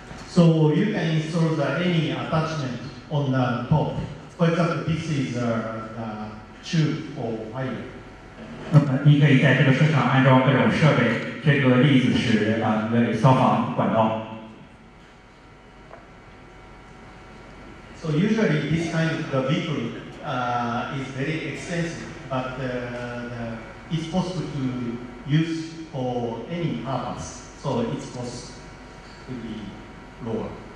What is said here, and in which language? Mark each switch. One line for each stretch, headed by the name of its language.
English: So you can install any attachment on the top. For example, this is the tube for wire.
Chinese: 你可以在这个车上安装各种设备，这个例子是一个消防管道。 So
English: usually this kind of the vehicle is very expensive, but it's possible to use for any purpose, so it's possible to be lower.